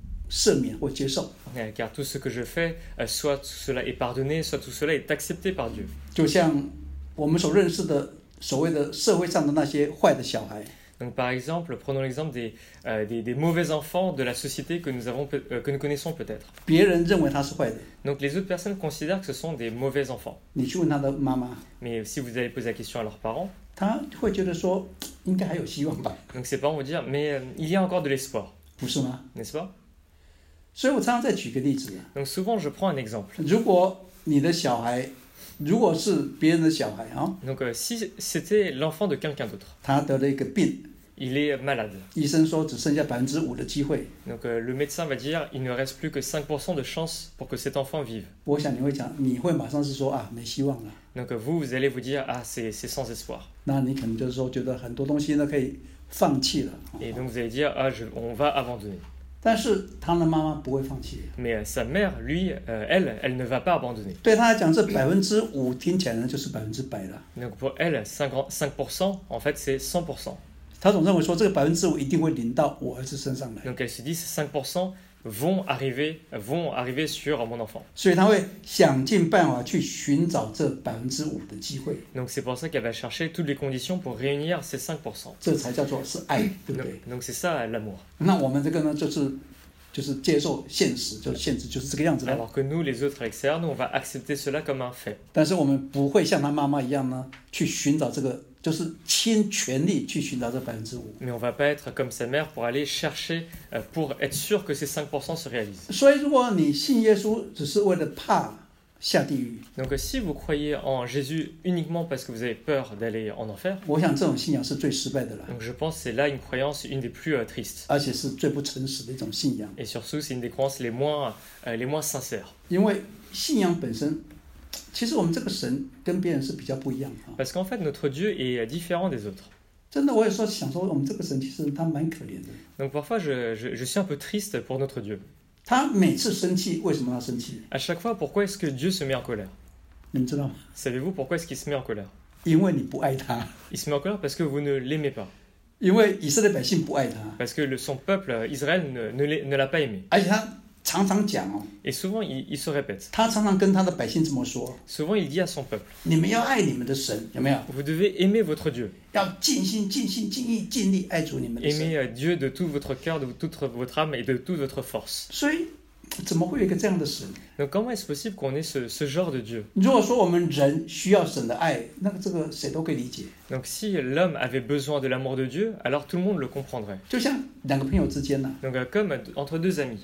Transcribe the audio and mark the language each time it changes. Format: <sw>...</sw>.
<zh>赦免或接受</zh> <fr>okay, car tout ce que je fais, soit tout cela est pardonné, soit tout cela est accepté par Dieu.</fr> <zh>就像我们所认识的所谓的社会上的那些坏的小孩。</zh> <fr>Donc par exemple, prenons l'exemple des mauvais enfants de la société que nous avons, que nous connaissons peut-être.</fr> <zh>别人认为他是坏的。</zh> <fr>Donc les autres personnes considèrent que ce sont des mauvais enfants.</fr> <zh>你去问他的妈妈。</zh> <fr>Mais si vous allez poser la question à leurs parents,</fr> <zh>他会觉得说应该还有希望吧。</zh> <fr>Donc ses parents vont dire, mais il y a encore de l'espoir.</fr> <zh>不是吗？</zh> <fr>N'est-ce pas?</fr> <zh>所以我常常再举个例子。</zh> <fr>Donc souvent je prends un exemple.</fr> <zh>如果你的小孩，如果是别人的小孩啊。</zh> <fr>Donc si c'était l'enfant de quelqu'un d'autre.</fr> <zh>他得了一个病。</zh> <fr>Il est malade.</fr> <zh>医生说只剩下5%的机会。</zh> <fr>Donc le médecin va dire il ne reste plus que 5% de chance pour que cet enfant vive.</fr> <zh>我想你会讲，你会马上是说啊，没希望了。</zh> <fr>Donc vous allez vous dire ah c'est sans espoir.</fr> <zh>那你可能就是说觉得很多东西都可以放弃了。</zh> <fr>Et donc vous allez dire ah on va abandonner.</fr> <zh>但是他的妈妈不会放弃。</zh> <fr>Mais sa mère, lui, elle ne va pas abandonner.</fr> <zh>对他来讲，这5%听起来就是100%了。</zh> <fr>Donc pour elle, 5%, en fait, c'est 100%.</fr> <zh>他总认为说这个5%一定会临到我儿子身上来。</zh> <fr>Donc elle se dit, 5% vont arriver sur mon enfant.</fr> <zh>所以他会想尽办法去寻找这5%的机会。</zh> <fr>Donc c'est pour ça qu'elle va chercher toutes les conditions pour réunir ces 5%.</fr> <zh>这才叫做是爱，对不对</zh> <fr>？Donc c'est ça l'amour.</fr> <zh>那我们这个呢，就是接受现实，就是现实就是这个样子。</zh> <fr>Alors que nous, les autres externes, on va accepter cela comme un fait.</fr> <zh>但是我们不会像他妈妈一样呢，去寻找这个。就是倾全力去寻找这5%。</zh> <fr>Mais on va pas être comme sa mère pour aller chercher pour être sûr que ces 5% se réalisent.</fr> <zh>所以如果你信耶稣只是为了怕下地狱。</zh> <fr>Donc si vous croyez en Jésus uniquement parce que vous avez peur d'aller en enfer.</fr> <zh>我想这种信仰是最失败的了。</zh> <fr>Donc je pense que c'est là une croyance une des plus tristes.</fr> <zh>而且是最不诚实的一种信仰。</zh> <fr>Et surtout c'est une des croyances les moins sincères.</fr> <zh>因为信仰本身。其实我们这个神跟别人是比较不一样的。</zh> <fr>Parce qu'en fait, notre Dieu est différent des autres.</fr> <zh>真的，我有时候想说，我们这个神其实他蛮可怜的。</zh> <fr>Donc parfois, je suis un peu triste pour notre Dieu.</fr> <zh>他每次生气，为什么他生气</zh> <fr>？À chaque fois, pourquoi est-ce que Dieu se met en colère？</fr> <zh>你们知道吗</zh> <fr>？Savez-vous pourquoi est-ce qu'il se met en colère？</fr> <zh>因为你不爱他。</zh> <fr>Il se met en colère parce que vous ne l'aimez pas.</fr> <zh>因为以色列百姓不爱他。</zh> <fr>Parce que son peuple Israël ne l'a pas aimé.</fr> <zh>而且他。常常讲哦</zh> <fr>，et souvent il se répète.</fr> <zh>他常常跟他的百姓这么说。</zh> <fr>Souvent il dit à son peuple.</fr> <zh>你们要爱你们的神，有没有</zh> <fr>？Vous devez aimer votre Dieu.</fr> <zh>要尽心、尽心、尽意、尽力爱主你们的神。</zh> <fr>Aimer Dieu de tout votre cœur, de toute votre âme et de toute votre force.</fr> <zh>所以，怎么会有一个这样的神</zh> <fr>？Donc comment est-ce possible qu'on ait ce genre de Dieu？</fr> <zh>如果说我们人需要神的爱，那这个谁都可以理解。</zh> <fr>Donc si l'homme avait besoin de l'amour de Dieu, alors tout le monde le comprendrait.</fr> <zh>就像两个朋友之间呢。</zh> <fr>Donc comme entre deux amis.</fr>